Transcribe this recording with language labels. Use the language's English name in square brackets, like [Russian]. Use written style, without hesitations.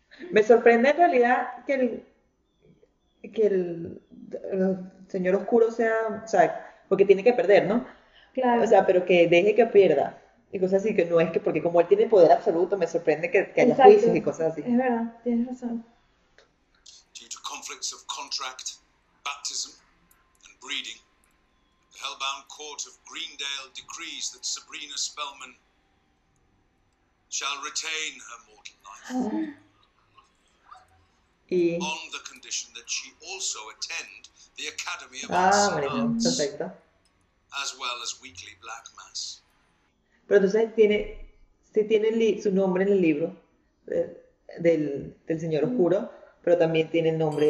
[Spanish] Me sorprende en realidad que el señor oscuro sea, o sea, porque tiene que perder, ¿no? Claro. O sea, pero que deje que pierda. Y cosas así, que no es que, porque como él tiene poder absoluto, me sorprende que haya, exacto, juicios y cosas así. Es verdad, tienes razón. [English] Due to conflicts of contract, baptism, and breeding, the hellbound court of Greendale decrees that Sabrina Spellman shall retain her mortal life. [Spanish] Y... [English] On the condition. condition that she also attend the Academy of Arts. [Spanish] Perfecto. [English] As well as weekly black mass. [Spanish] Pero entonces tiene, sí tiene su nombre en el libro del Señor Oscuro, pero también tiene el nombre.